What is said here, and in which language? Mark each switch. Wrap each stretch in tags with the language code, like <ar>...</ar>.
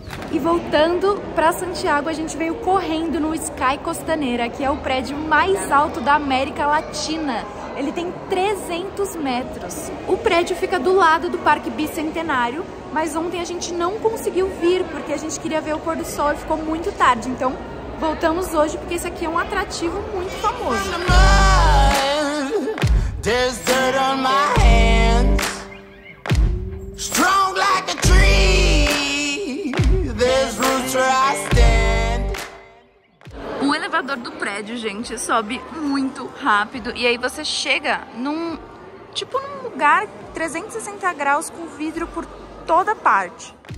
<pt>E voltando pra Santiago, a gente veio correndo no Sky Costanera, que é o prédio mais alto da América Latina. Ele tem 300 metros. O prédio fica do lado do Parque Bicentenário, mas ontem a gente não conseguiu vir porque a gente queria ver o pôr do sol e ficou muito tarde. Então voltamos hoje porque esse aqui é um atrativo muito famoso.</pt> <en>Desert on my hands, strong like a tree. There's roots where I stand.</en> <pt>O elevador do prédio, gente, sobe muito rápido. E aí você chega num, tipo, num lugar 360 graus com vidro por toda parte.</pt>